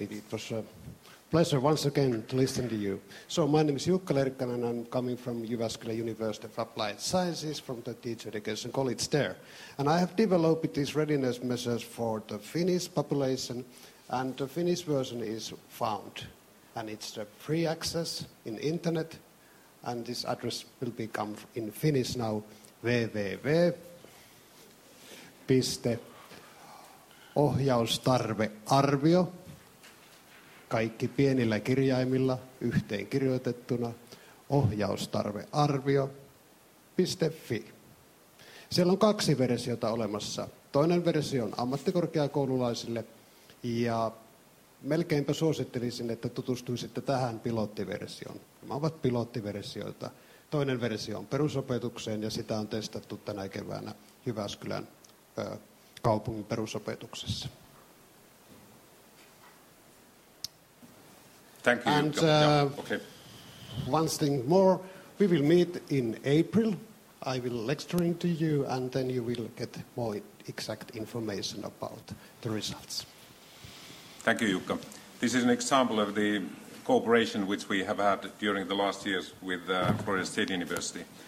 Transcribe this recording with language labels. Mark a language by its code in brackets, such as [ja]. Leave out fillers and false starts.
[en] It was a pleasure once again to listen to you. So my name is Jukka Lerkkanen, and I'm coming from Jyväskylä University of Applied Sciences from the Teacher Education College there. And I have developed these readiness measures for the Finnish population, and the Finnish version is found. And it's the free access in internet, and this address will become in Finnish now, www.ohjaustarvearvio, [fi] kaikki pienillä kirjaimilla yhteen kirjoitettuna, [en] ohjaustarvearvio.fi. [fi] Siellä on kaksi versiota olemassa. Toinen versio on ammattikorkeakoululaisille, ja melkeinpä suosittelisin, että tutustuisitte tähän pilottiversioon. Nämä ovat pilottiversioita. Toinen versio on perusopetukseen, ja sitä on testattu tänä keväänä Jyväskylän kaupungin perusopetuksessa. [en] Thank you. And one thing more, we will meet in April. I will lecturing to you, and then you will get more exact information about the results. Thank you, Jukka. This is an example of the cooperation which we have had during the last years with Florida State University.